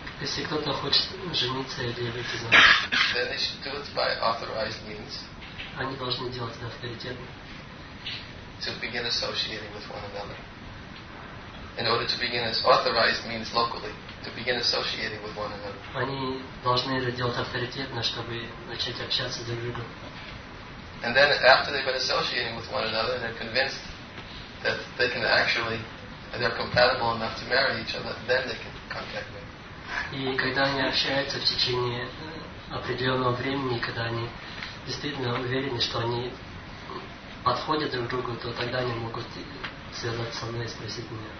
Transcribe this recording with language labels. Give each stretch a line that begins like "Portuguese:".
Russian: если кто-то хочет жениться или выйти
English: замуж, then they should do it by authorized means.
Russian: Они должны делать это авторитетно.
English: To begin associating with one another. In order to begin as authorized means locally, to begin associating with one another.
Russian: Они должны это делать авторитетно, чтобы начать общаться друг с другом.
English: And then after they've been associating with one another and they're convinced that they can actually, they're compatible enough to marry each other, then they can contact me.
Russian: И когда они общаются в течение определенного времени, когда они действительно уверены, что они подходят друг другу, то тогда они могут связаться со мной и спросить меня.